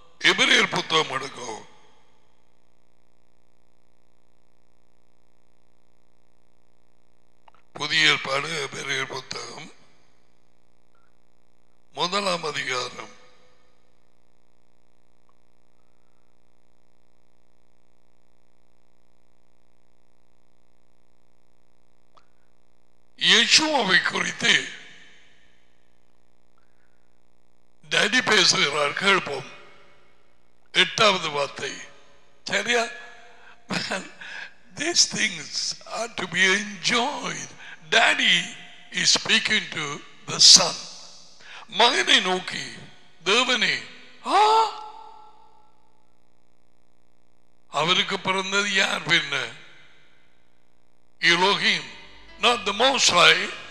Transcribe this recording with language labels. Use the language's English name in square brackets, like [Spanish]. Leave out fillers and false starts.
[Tamil] எபிரேயர் புத்தகம் எடுக்கும், புதிய ஏற்பாடு எபிரேயர் புத்தகம் 1 அதிகாரம் யேசுவை குறித்து டாடி பேசுகிறார், கேட்போம். [English] 8th [Tamil] வார்த்தை சரியா, [English] these things are to be enjoyed. Daddy is speaking to the son. [Tamil] மகனை நோக்கி, தேவனே, அவருக்கு பிறந்தது யார் பின்ன? [English] Elohim, not the most high.